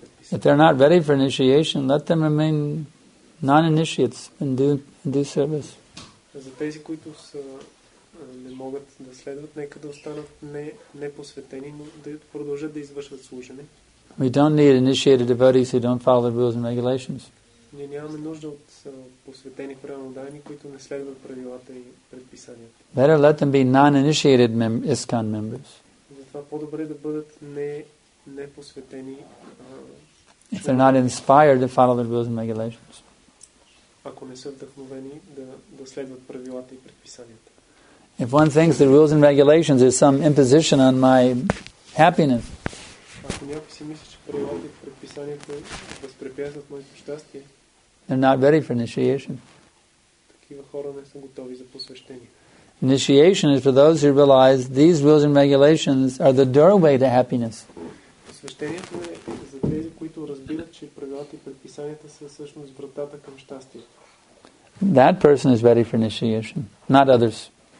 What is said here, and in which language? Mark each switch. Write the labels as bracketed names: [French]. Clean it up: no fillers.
[English] If they're not ready for initiation, let them remain non-initiates and do service. [Bulgarian] За тези, които са, не могат да следват, нека да останат непосветени, но да продължат да извършват служене. [English] We don't need initiated devotees who don't follow the rules and regulations. [Bulgarian] Ние нямаме нужда от посветени преданодани, които не следват правилата и предписанията. [English] Better let them be non-initiated ISKCON members. [Bulgarian] Затова по-добре да бъдат непосветени. [English] If they're not inspired to follow the rules and regulations. [Bulgarian] Ако не са вдъхновени да следват правилата и предписанията. [English] If one thinks the rules and regulations is some imposition on my happiness. [Bulgarian] Ако някой си мисли, че правилата и предписанията възпрепятстват моето щастие. [English] They're not ready for initiation. [Bulgarian] Такива хора не са готови за посвещение. [English] Initiation is for those who realize these rules and regulations are the doorway to happiness. [Bulgarian] Посвещението е за тези, които разбират, че правилата и предписанията са всъщност вратата към щастие. [English] That person is ready for initiation, not others.